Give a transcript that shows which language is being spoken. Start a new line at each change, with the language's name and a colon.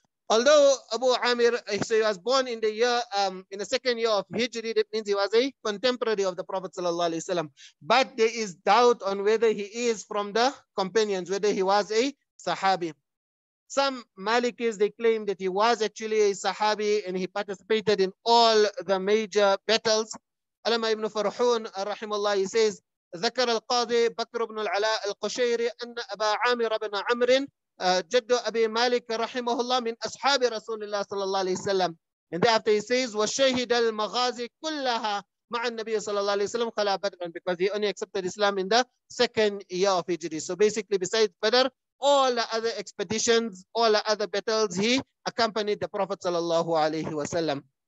English: Although Abu Amir, so he was born in the year in the second year of Hijri, that means he was a contemporary of the Prophet sallallahu alaihi wasallam. But there is doubt on whether he is from the companions, whether he was a Sahabi. Some Malikis, they claim that he was actually a Sahabi and he participated in all the major battles. Alama ibn Farhun, rahimahullah, he says,
Arabic: ذكر القاضي بكر بن العلاء القشيري أن أبا عامر بن عمرو جد أبي مالك رحمه الله من أصحاب رسول الله صلى الله عليه وسلم.
English: And thereafter he says,
Arabic: وشهد المغازي كلها مع النبي صلى الله عليه وسلم خلا بدر,
English: because he only accepted Islam in the second year of Hijri. So basically besides Badr, all the other expeditions, all the other battles, he accompanied the Prophet صلى الله عليه وسلم.